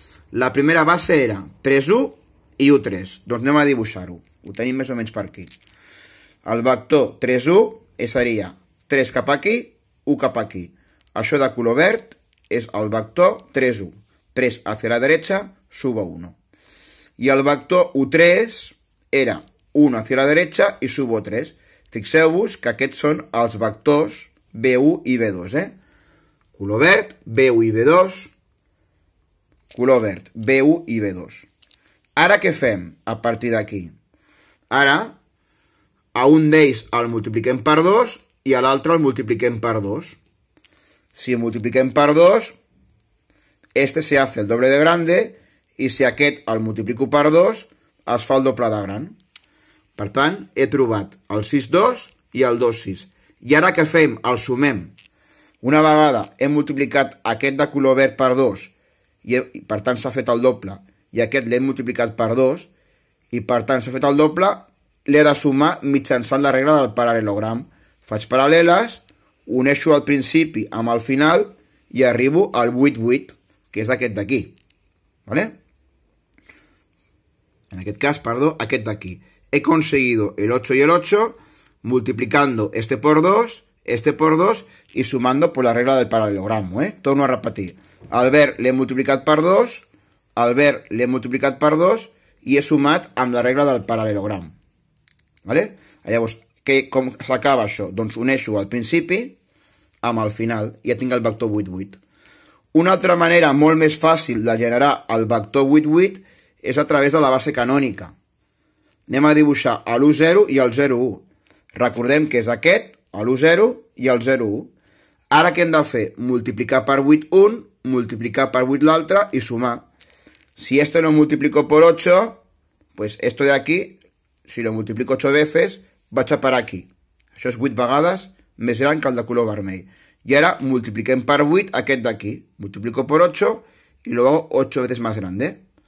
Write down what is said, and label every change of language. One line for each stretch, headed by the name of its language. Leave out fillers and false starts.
Catalan: La primera base era 3,1 i 1,3. Doncs anem a dibuixar-ho. Ho tenim més o menys per aquí. El vector 3,1 seria 3 cap aquí, 1 cap aquí. Això de color verd és el vector 3,1.
Spanish: 3 hacia la derecha, suba 1.
Catalan: I el vector 1,3 era 1
Spanish: hacia la derecha
Catalan: i subo 3. Fixeu-vos que aquests són els vectors B1 i B2. Color verd, B1 i B2. Color verd, B1 i B2. Ara què fem a partir d'aquí? Ara, a un d'ells el multipliquem per 2 i a l'altre el multipliquem per 2. Si el multipliquem per 2,
Spanish: este se hace el doble de grande,
Catalan: i si aquest el multiplico per 2, es fa el doble de gran. Per tant, he trobat el 6,2 i el 2,6. I ara què fem? El sumem. Una vegada hem multiplicat aquest de color verd per 2, i per tant s'ha fet el doble, i aquest l'hem multiplicat per 2, i per tant s'ha fet el doble, l'he de sumar mitjançant la regla del paral·lelogram. Faig paral·leles, uneixo al principi amb el final, i arribo al 8,8, que és aquest d'aquí. ¿Vale? En aquest cas, perdó, aquest d'aquí.
Spanish: He conseguido el 8 y el 8 multiplicando este por 2 y sumando por la regla del paralelogramo. Torno a repetir. Al ver, le he multiplicado por 2, al ver, le he multiplicado por 2 y he sumado amb la regla del paralelogramo. ¿Vale?
Catalan: Llavors, com s'acaba això? Doncs uneixo al principi amb el final i ja tinc el vector 8,8. Una altra manera molt més fàcil de generar el vector 8,8 és a través de la base canònica. Anem a dibuixar l'1,0 i el 0,1. Recordem que és aquest, l'1,0 i el 0,1. Ara què hem de fer? Multiplicar per 8,1, multiplicar per 8 l'altre i sumar.
Spanish: Si este lo multiplico por 8, pues esto de aquí, si lo multiplico 8 veces,
Catalan: vaig a parar aquí. Això és 8 vegades més gran que el de color vermell. I ara multipliquem per 8 aquest d'aquí.
Spanish: Multiplico por 8 y luego 8 veces más grande.